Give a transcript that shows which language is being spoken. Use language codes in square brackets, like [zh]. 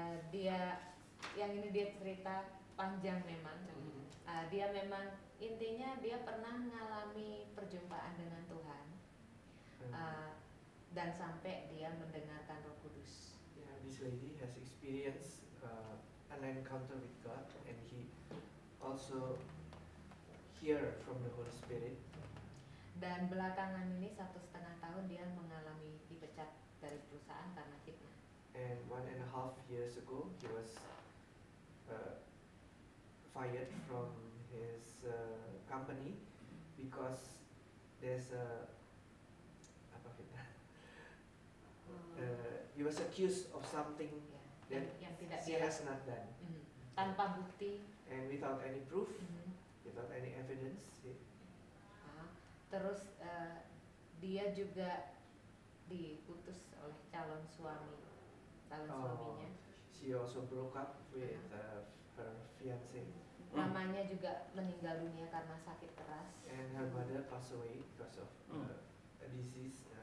[id] Dia, yang ini dia cerita panjang memang. Dia memang, intinya dia pernah mengalami perjumpaan dengan Tuhan. Dan sampai dia mendengarkan Roh Kudus. [en] Yeah, this lady has experienced an encounter with God, and he also hear from the Holy Spirit. [id] Dan belakangan ini 1.5 tahun dia mengalami dipecat dari perusahaan karena fitnah. [en] And 1.5 years ago he was fired from his company because there's a [id] apa fitnah. [en] He was accused of something that he has not done. [id] Tanpa bukti. [en] And without any proof, without any evidence. [id] Terus dia juga diputus oleh calon suami, suaminya. [en] She also broke up with her fiancé. [id] Mamanya juga meninggal dunia karena sakit keras. [en] And her mother passed away because of a disease.